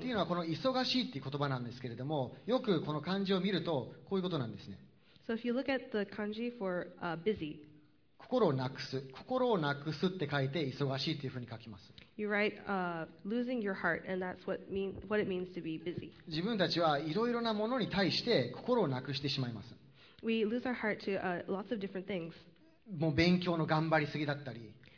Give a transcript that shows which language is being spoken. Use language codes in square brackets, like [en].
[ja] というのはこの忙しいっていう言葉なんですけれども、よくこの漢字を見るとこういうことなんですね。 [en] So if you look at the kanji for busy. [ja] 心をなくす、心をなくすって書いて忙しいっていうふうに書きます。 [en] You write losing your heart, and that's what it means to be busy. [ja] 自分たちはいろいろなものに対して心をなくしてしまいます。 [en] We lose our heart to lots of different things. [ja] もう勉強の頑張りすぎだったり、